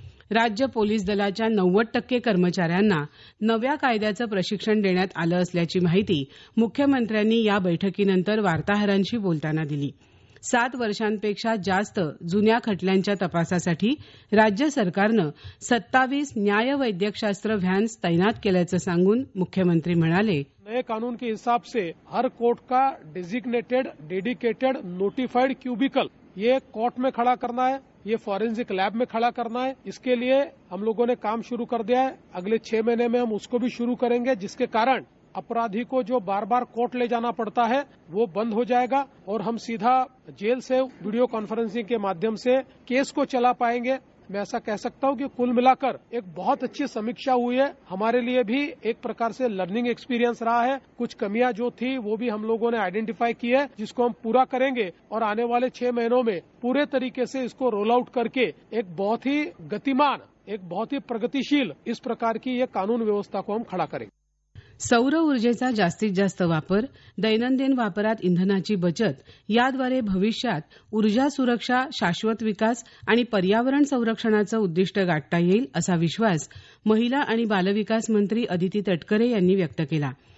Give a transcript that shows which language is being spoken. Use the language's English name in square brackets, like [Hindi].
[Marathi] राज्य पोलीस दलाच्या 90% कर्मचाऱ्यांना नव्या कायद्याचं प्रशिक्षण देण्यात आलं असल्याची माहिती मुख्यमंत्र्यांनी या बैठकीनंतर वार्ताहरांशी बोलताना दिली. 7 वर्षांपेक्षा जास्त जुन्या खटल्यांच्या तपासासाठी राज्य सरकारनं 27 न्यायवैद्यकशास्त्र व्हॅन्स तैनात केल्याचं सांगून मुख्यमंत्री म्हणाले, [Hindi] नए कानून के हिसाब से हर कोर्ट का डिजिग्नेटेड डेडिकेटेड नोटिफाइड क्यूबिकल ये कोर्ट में खड़ा करना है, ये फॉरेंसिक लैब में खड़ा करना है. इसके लिए हम लोगों ने काम शुरू कर दिया है. अगले 6 महीने में हम उसको भी शुरू करेंगे, जिसके कारण अपराधी को जो बार बार कोर्ट ले जाना पड़ता है वो बंद हो जाएगा और हम सीधा जेल से वीडियो कॉन्फ्रेंसिंग के माध्यम से केस को चला पाएंगे. मैं ऐसा कह सकता हूं कि कुल मिलाकर एक बहुत अच्छी समीक्षा हुई है. हमारे लिए भी एक प्रकार से लर्निंग एक्सपीरियंस रहा है. कुछ कमियां जो थी वो भी हम लोगों ने आइडेंटिफाई की है, जिसको हम पूरा करेंगे और आने वाले 6 महीनों में पूरे तरीके से इसको रोल आउट करके एक बहुत ही गतिमान, एक बहुत ही प्रगतिशील इस प्रकार की यह कानून व्यवस्था को हम खड़ा करेंगे. [Marathi] सौर ऊर्जेचा जास्तीत जास्त वापर, दैनंदिन वापरात इंधनाची बचत याद्वारे भविष्यात ऊर्जा सुरक्षा, शाश्वत विकास आणि पर्यावरण संरक्षणाचं उद्दिष्ट गाठता येईल असा विश्वास महिला आणि बालविकास मंत्री अदिती तटकरे यांनी व्यक्त केला.